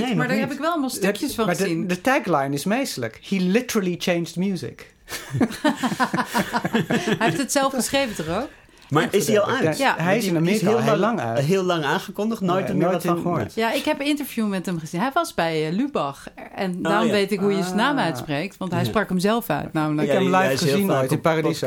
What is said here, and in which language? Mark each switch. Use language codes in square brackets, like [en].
[nl] Nee, maar daar heb ik wel allemaal stukjes van gezien. De tagline is meestelijk. [en] He literally changed music. [nl] Hij heeft het zelf geschreven toch ook? Maar is hij al uit? Ja. Hij is in Amerika is heel lang uit. Heel lang aangekondigd, nooit meer wat van gehoord. Ja, ik heb een interview met hem gezien. Hij was bij Lubach. En daarom weet ik hoe je zijn naam uitspreekt. Want hij sprak hem zelf uit. Namelijk. Ik heb hem live gezien nooit in Paradiso.